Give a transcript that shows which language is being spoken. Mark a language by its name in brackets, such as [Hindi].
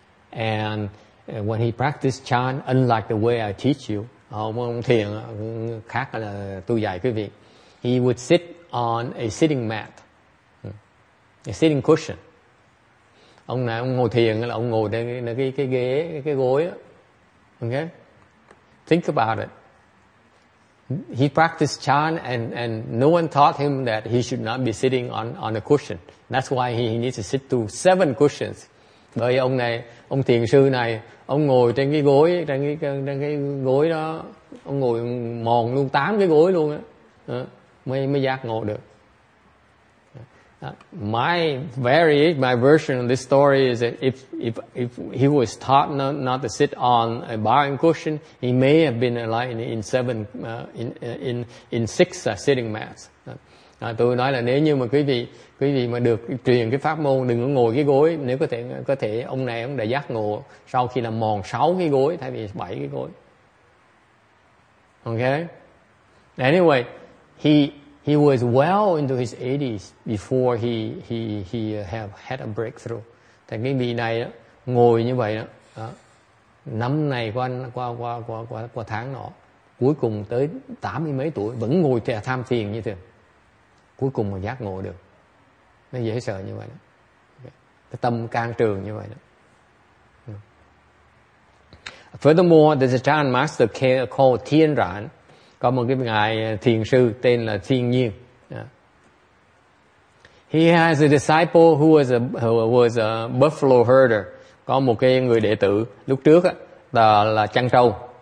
[English] And when he practiced Chan, unlike the way I teach you, [Vietnamese] ông thiền khác là tôi dạy quý vị, [English] he would sit on a sitting mat, a sitting cushion. [Vietnamese] Ông này ông ngồi thiền là ông ngồi trên cái ghế, cái gối đó. [English] Okay? Think about it. He practiced Chan and no one taught him that he should not be sitting on a cushion. That's why he needs to sit through 7 cushions. [Vietnamese] Bởi ông này, ông thiền sư này, ông ngồi trên cái gối, trên cái gối đó, ông ngồi mòn luôn 8 cái gối luôn á. Mới giác ngộ được. [English] My version of this story is that if he was taught not to sit on a barring cushion, he may have been enlightened in 7 6 sitting mats. [Vietnamese] Tôi nói là nếu như mà quý vị mà được truyền cái pháp môn đừng có ngồi cái gối, nếu có thể ông này ông đã giác ngộ sau khi là mòn 6 cái gối thay vì 7 cái gối. Okay. [English] Anyway, he was well into his 80s before he had a breakthrough. [Vietnamese] Thì cái vị này ngồi như vậy đó, năm này qua tháng nọ, cuối cùng tới 80 mấy tuổi vẫn ngồi tham thiền như thường, cuối cùng mà giác ngộ được, nó dễ sợ như vậy đó. Cái tâm can trường như vậy đó. [English] Furthermore, there's a Chan master called Thiên Rạn. [Vietnamese] Có một cái ngài thiền sư tên là Thiên Nhiên. [English] He has a disciple who was a buffalo herder. [Vietnamese] Có một cái người đệ tử lúc trước đó, là chăn trâu.